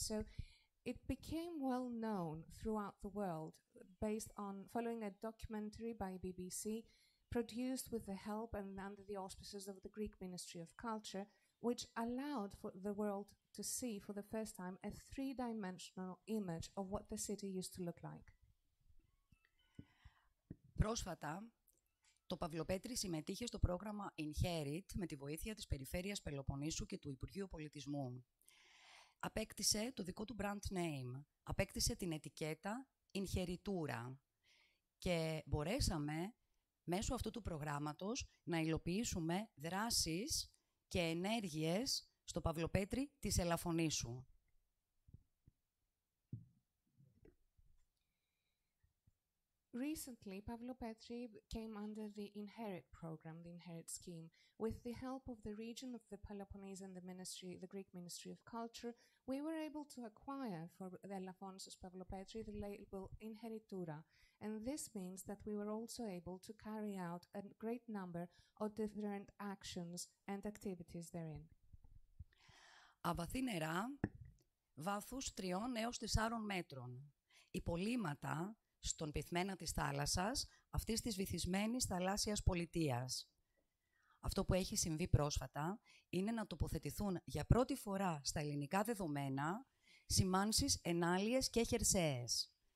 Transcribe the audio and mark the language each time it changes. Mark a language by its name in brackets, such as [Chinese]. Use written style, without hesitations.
[English] So it became well known throughout the world based on following a documentary by BBC produced with the help and under the auspices of the Greek Ministry of Culture, which allowed for the world to see for the first time a three-dimensional image of what the city used to look like. [Greek] Πρόσφατα, το Παυλοπέτρι συμμετείχε στο πρόγραμμα Inherit με τη βοήθεια της Περιφέρειας Πελοποννήσου και του Υπουργείου Πολιτισμού. Απέκτησε το δικό του brand name, απέκτησε την ετικέτα Inheritura και μπορέσαμε μέσω αυτού του προγράμματος να υλοποιήσουμε δράσεις και ενέργειες στο Παυλοπέτρι της Ελαφωνήσου. [English] Recently, Pavlo Petri came under the INHERIT program, the INHERIT scheme. With the help of the region of the Peloponnese and the ministry, the Greek Ministry of Culture, we were able to acquire for the Elafonisos Pavlo Petri the label INHERITURA. And this means that we were also able to carry out a great number of different actions and activities therein. [Greek] Αβαθή νερά, βάθους 3 έως 4 μέτρων. Υπολείμματα στον πυθμένα της θάλασσας, αυτής της βυθισμένης θαλάσσιας πολιτείας. Αυτό που έχει συμβεί πρόσφατα είναι να τοποθετηθούν για πρώτη φορά στα ελληνικά δεδομένα σημάνσεις, ενάλειες και χερσαίες.